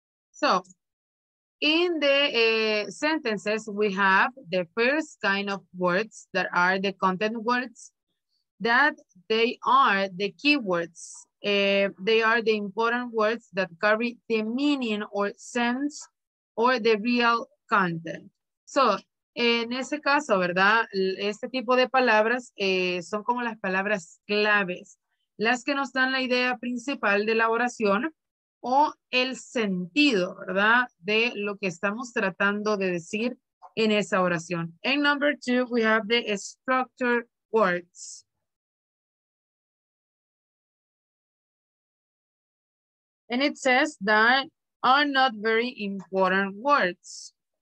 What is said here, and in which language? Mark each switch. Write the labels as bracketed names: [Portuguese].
[English] So in the sentences, we have the first kind of words that are the content words, that they are the keywords. They are the important words that carry the meaning or sense or the real content. [Spanish] So en ese caso, ¿verdad? Este tipo de palabras son como las palabras claves, las que nos dan la idea principal de la oración, o el sentido, ¿verdad?, de lo que estamos tratando de decir en esa oración. [English] En number two, we have the structured words. And it says that are not very important words.